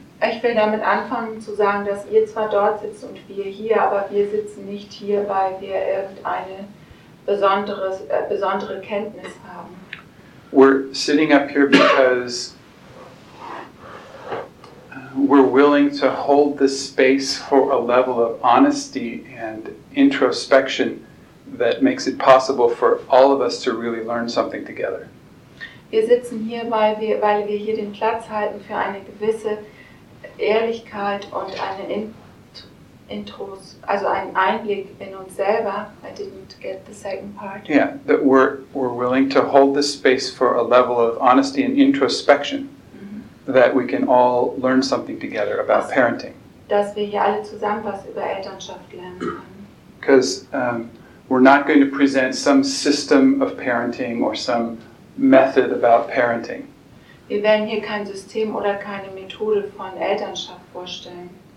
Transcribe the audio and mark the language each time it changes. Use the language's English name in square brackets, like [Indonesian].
[German] Ich will damit anfangen zu sagen, dass ihr zwar dort sitzt und wir hier, aber wir sitzen nicht hier, weil wir irgendeine besondere Kenntnis haben. [English] We're sitting up here because we're willing to hold the space for a level of honesty and introspection that makes it possible for all of us to really learn something together. [German] Wir sitzen hier, weil wir hier den Platz halten für eine gewisse Ehrlichkeit und eine einen Einblick in uns selber. [English] I didn't get the second part. Yeah, that we're willing to hold the space for a level of honesty and introspection that we can all learn something together about parenting. [German] Dass wir hier alle zusammen was über Elternschaft lernen können. [English] Because we're not going to present some system of parenting or some method about parenting. [German] Wir werden hier kein System oder keine Methode von Elternschaft vorstellen.